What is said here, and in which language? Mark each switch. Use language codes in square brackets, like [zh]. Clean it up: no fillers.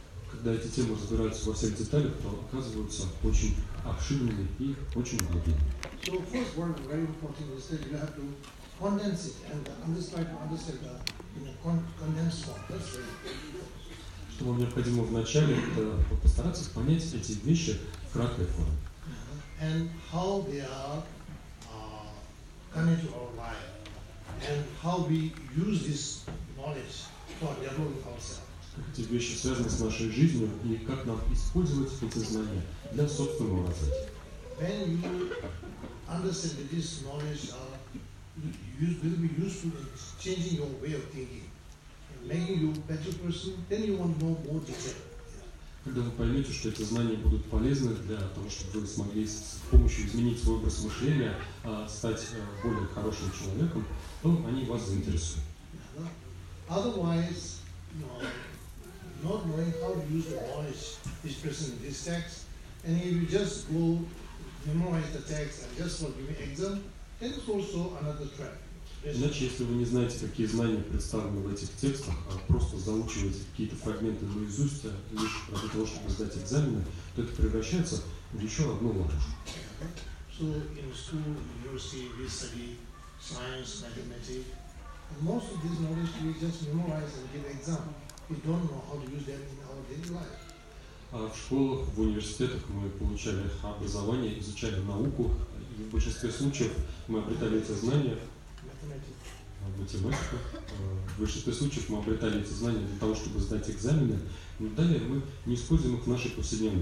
[ru] Когда эти темы разбираются во всех деталях, то оказываются очень обширными и очень глубинными. [en] So first one very important is that you have to condense it and understand to understand in a condensed form. That's very important. [ru] Что вам необходимо вначале, это постараться понять эти вещи в краткой форме. [en] And how they are coming to our life. And how we use this knowledge for developing ourselves. [ru] Как эти вещи связаны с нашей жизнью и как нам использовать эти знания для собственного развития. [en] When you understand that this knowledge will be useful in changing your way of thinking, making you a better person, then you want to know more detail. [ru] Когда вы поймете, что эти знания будут полезны для того, чтобы вы смогли с помощью изменить свой образ мышления, стать более хорошим человеком, то они вас заинтересуют. [en] Otherwise, you know, not knowing how to use the knowledge is present in this text, and if you just go memorize the text and just for giving exam, then it's also another trap. [ru] Иначе, если вы не знаете, какие знания представлены в этих текстах, а просто заучиваете какие-то фрагменты наизусть лишь для того, чтобы сдать экзамены, то это превращается в еще одну ложь. [en] So in school, university, we study science, mathematics, and most of this knowledge we just memorize and give exam. We don't know how to use them in our daily life. [ru] А в школах, в университетах мы получали образование, изучали науку, и в большинстве случаев мы обретали эти знания. Математика. В большинстве случаев мы обретали эти знания для того, чтобы сдать экзамены, но далее мы не используем их в нашей повседневной